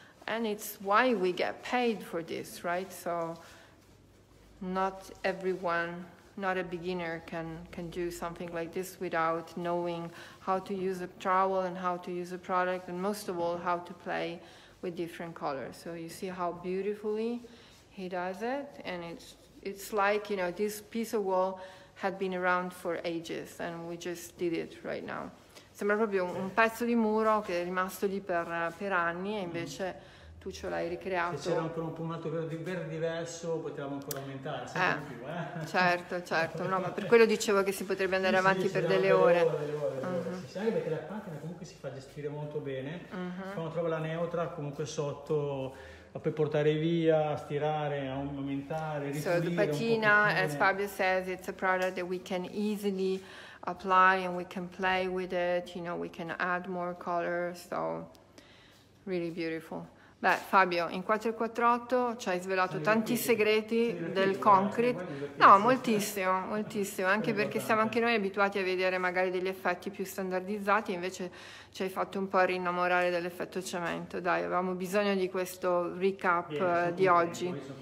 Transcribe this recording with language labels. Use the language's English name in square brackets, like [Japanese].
[English] And it's why we get paid for this, right? So not everyone, not a beginner can do something like this without knowing how to use a towel and how to use a product and most of all how to play with different colors. So you see how beautifully he does it, and it's like, you know, this piece of wall had been around for ages and we just did it right now. [Italian] Sembra proprio un pezzo di muro che è rimasto lì per anni e invece tu ce l'hai ricreato. Se c'era ancora un pomato verde diverso, potevamo ancora aumentare, sempre di più. Certo. No, ma per quello dicevo che si potrebbe andare avanti per delle ore. Sì, anche perché la patina comunque si fa gestire molto bene. Uh-huh. Quando trovo la neutra, comunque sotto, la puoi portare via, stirare, aumentare, ripulire. [English] So the patina, as Fabio says, it's a product that we can easily apply and we can play with it, you know, we can add more color, so really beautiful. [Italian] Beh, Fabio, in 448 ci hai svelato tanti segreti del concrete. No, moltissimo, anche perché siamo anche noi abituati a vedere magari degli effetti più standardizzati, invece ci hai fatto un po' rinnamorare dell'effetto cemento. Dai, avevamo bisogno di questo recap di oggi.